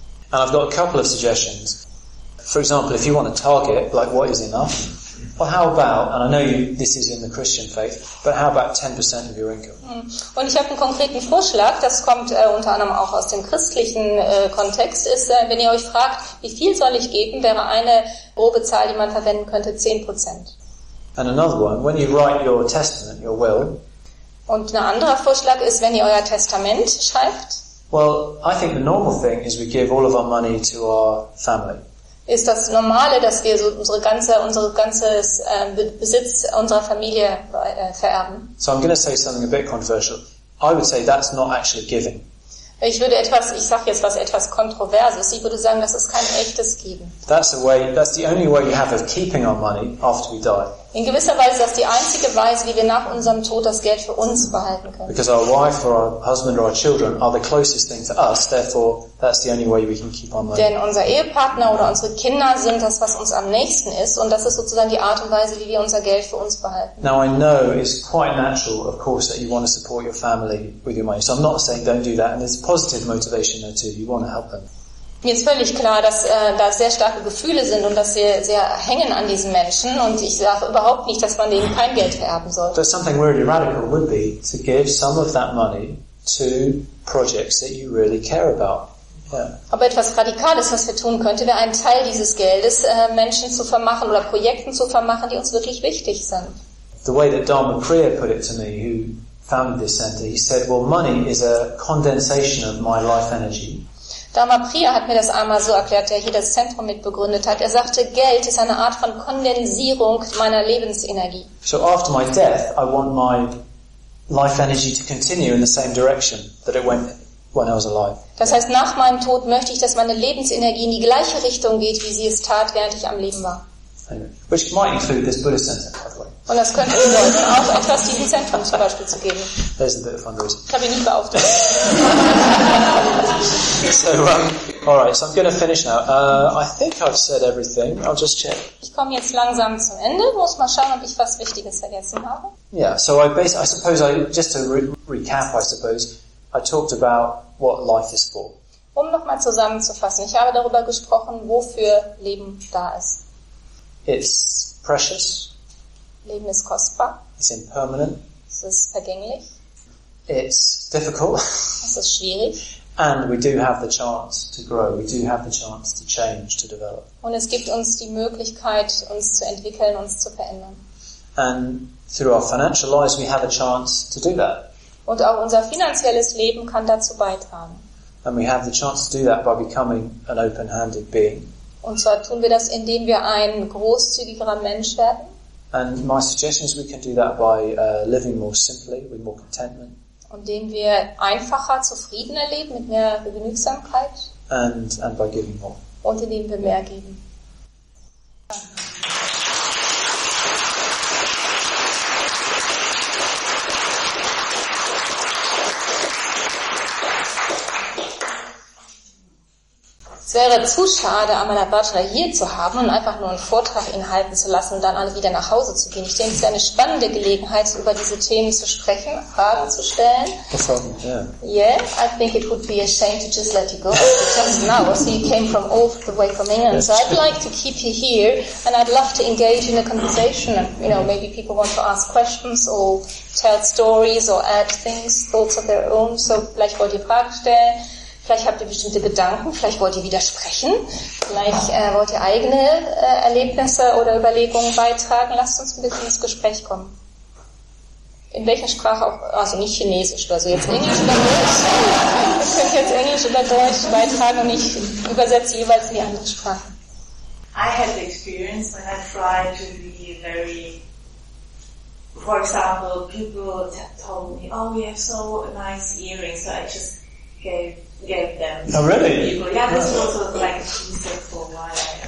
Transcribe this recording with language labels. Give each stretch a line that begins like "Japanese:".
English: And I've got a couple of suggestions. For example, if you want a target, like what is enough, well, how about, and I know you, this is in the Christian faith, but how about 10% of your income?
German: Und ich habe einen konkreten Vorschlag, das kommt unter anderem auch aus dem christlichen Kontext, ist, wenn ihr euch fragt, wie viel soll ich geben, wäre eine grobe Zahl, die man verwenden könnte, 10%.
English: And another one, when you write your testament, your will.
German: Und ein anderer Vorschlag ist, wenn ihr euer Testament schreibt.
English: Well, I think the normal thing is we give all of our money to our family.
German: Ist das Normale, dass wir so unser ganzes Besitz unserer Familie vererben?
English: So I'm going to say something a bit controversial. I would say that's not actually giving.
German: Ich sage jetzt was etwas Kontroverses. Ich würde sagen, das ist kein echtes Geben.
English: That's the only way you have of keeping our money after we die.
German: In gewisser Weise ist das die einzige Weise, wie wir nach unserem Tod das Geld für uns behalten können.
English: Because our wife or our husband or our children are the closest thing to us, therefore that's the only way we can keep on living.
German: Denn unser Ehepartner oder unsere Kinder sind das, was uns am nächsten ist, und das ist sozusagen die Art und Weise, wie wir unser Geld für uns behalten.
English: Now I know it's quite natural, of course, that you want to support your family with your money. So I'm not saying don't do that, and there's positive motivation there too. You want to help them.
German: Mir ist völlig klar, dass da sehr starke Gefühle sind und dass sie sehr hängen an diesen Menschen, und ich sage überhaupt nicht, dass man denen kein Geld vererben soll.
English: So something really radical would be to give some of that money to projects that you really care about. Yeah.
German: Aber etwas Radikales, was wir tun könnten, wäre, einen Teil dieses Geldes Menschen zu vermachen oder Projekten zu vermachen, die uns wirklich wichtig sind.
English: The way that Dharma Priya put it to me, who founded this center, he said, well, money is a condensation of my life energy.
German: Dharma Priya hat mir das einmal so erklärt, der hier das Zentrum mitbegründet hat. Er sagte, Geld ist eine Art von Kondensierung meiner Lebensenergie.
English: So after my death, I want my life energy to continue in the same direction that it went when I was alive.
German: Das heißt, nach meinem Tod möchte ich, dass meine Lebensenergie in die gleiche Richtung geht, wie sie es tat, während ich am Leben war.
English: Anyway, which might include this Buddhist center, by the way.
German: Und das könnte bedeuten, auch etwas diesem Zentrum zum Beispiel zu geben.
English: There's a bit of fundraising.
German: Ich habe ihn nicht beauftragt.
English: So, alright, so I'm going to finish now. I think I've said everything. I'll just check.
German: Ich komme jetzt langsam zum Ende. Muss mal schauen, ob ich was Wichtiges vergessen habe.
English: Yeah, so I suppose, just to recap, I talked about what life is for.
German: Um nochmal zusammenzufassen, ich habe darüber gesprochen, wofür Leben da ist.
English: It's precious.
German: Leben ist kostbar.
English: It's impermanent.
German: Es ist vergänglich.
English: It's difficult.
German: Es ist schwierig.
English: And we do have the chance to grow. We do have the chance to change, to develop.
German: Und es gibt uns die Möglichkeit, uns zu entwickeln, uns zu verändern.
English: And through our financial lives, we have a chance to do that.
German: Und auch unser finanzielles Leben kann dazu beitragen.
English: And we have the chance to do that by becoming an open-handed being.
German: Und zwar tun wir das, indem wir ein großzügigerer Mensch werden.
English: And my suggestion is we can do that by living more simply, with more contentment.
German: Und indem wir einfacher, zufriedener leben, mit mehr Genügsamkeit.
English: And by giving more.
German: Und indem wir mehr geben. Es wäre zu schade, Amalavajra hier zu haben und einfach nur einen Vortrag ihn halten zu lassen und dann alle wieder nach Hause zu gehen. Ich denke, es ist eine spannende Gelegenheit, über diese Themen zu sprechen, Fragen zu stellen.
English: Yeah, I think it would be a shame to just let you go. Just now, so you came from all the way from England. So I'd like to keep you here and I'd love to engage in a conversation. You know, maybe people want to ask questions or tell stories or add things, thoughts of their own.
German: So vielleicht wollt ihr Fragen stellen. Vielleicht habt ihr bestimmte Gedanken, vielleicht wollt ihr widersprechen, vielleicht wollt ihr eigene Erlebnisse oder Überlegungen beitragen. Lasst uns ein bisschen ins Gespräch kommen. In welcher Sprache auch, also nicht Chinesisch oder so, jetzt Englisch oder Deutsch. Ich könnte jetzt Englisch oder Deutsch beitragen und ich übersetze jeweils in die andere Sprache.
English: I had the experience when I tried to be very, for example, people told me, oh, we have so nice earrings, so I just gave them. Oh, really? People. Yeah, this was also like a concept for a while.